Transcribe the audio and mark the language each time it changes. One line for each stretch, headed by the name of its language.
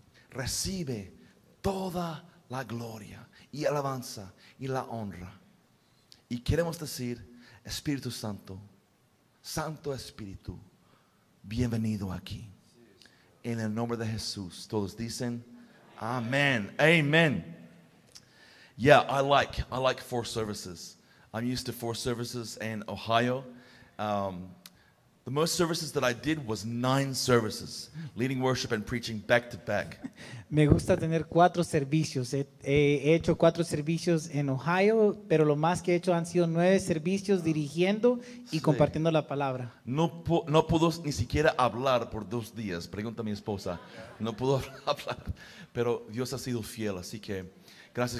Spanish: recibe toda la gloria y alabanza y la honra. Y queremos decir, Espíritu Santo, Santo Espíritu, bienvenido aquí. En el nombre de Jesús, todos dicen amén. Amén.
English: Yeah, I like four services. I'm used to four services in Ohio. The most services that I did was 9 services, leading worship and preaching back to back.
Spanish: Me gusta tener 4 servicios. He hecho 4 servicios en Ohio, pero lo más que he hecho han sido 9 servicios dirigiendo y sí, compartiendo la palabra. No puedo ni siquiera hablar por 2 días. Pregunta a mi esposa. No puedo hablar, pero Dios ha sido fiel, así que gracias.